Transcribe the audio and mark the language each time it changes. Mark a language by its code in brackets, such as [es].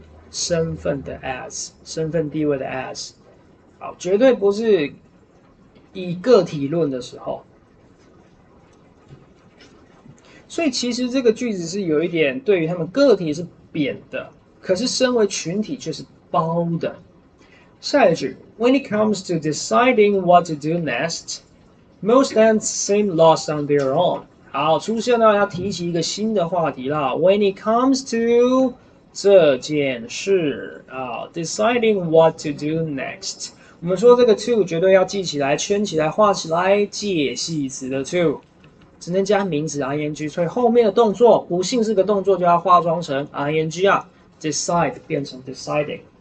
[zh] 身份的 as，身份地位的 as，好，绝对不是以个体论的时候。所以其实这个句子是有一点对于他们个体是贬的，可是身为群体却是褒的。 [en] 下一句，When it comes to deciding what to do next, most ants seem lost on their own。 [zh] 好，出现了要提起一个新的话题啦。 [en] When it comes to [zh] 这件事啊， [en] deciding what to do next。 [zh] 我们说这个 to 绝对要记起来、圈起来、画起来，介系词的 to，只能加名词 ing，所以后面的动作不幸是个动作，就要化妆成 ing 啊，decide 变成 deciding。